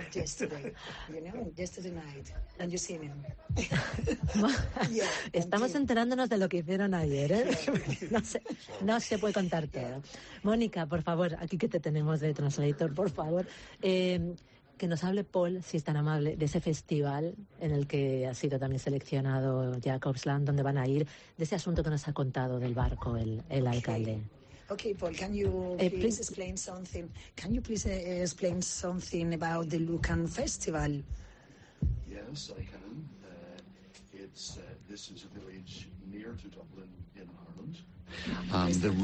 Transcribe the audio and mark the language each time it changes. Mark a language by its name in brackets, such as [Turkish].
[English] yesterday, you know, yesterday night and you see him. [Spanish] Estamos enterándonos de lo que hicieron ayer, ¿eh? no se puede contar todo. Mónica, por favor, aquí que te tenemos de translator, por favor, que nos hable Paul, si es tan amable, de ese festival en el que ha sido también seleccionado Jacques Lang, donde van a ir, de ese asunto que nos ha contado del barco el alcalde. [English] Okay, Paul, can you please explain something? Can you please explain something about the Lucan Festival? Yes, I can. This is a village near to Dublin in Ireland.